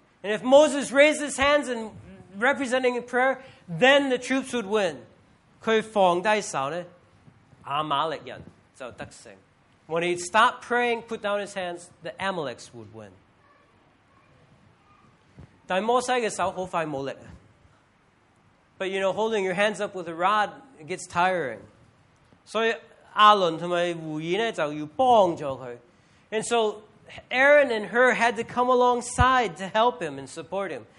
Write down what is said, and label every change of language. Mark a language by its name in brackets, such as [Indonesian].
[English] And if Moses raised his hands and representing a prayer, then the troops would win. [Chinese] 他放低手呢，亚玛力人就得胜。 [English] When he stopped praying, put down his hands, the Amalekites would win. [Chinese] 但摩西的手好快没力。 [English] But you know, holding your hands up with a rod, it gets tiring. [Chinese] 所以亚伦和胡尔呢就要帮助他。 [English] And so Aaron and Hur had to come alongside to help him and support him.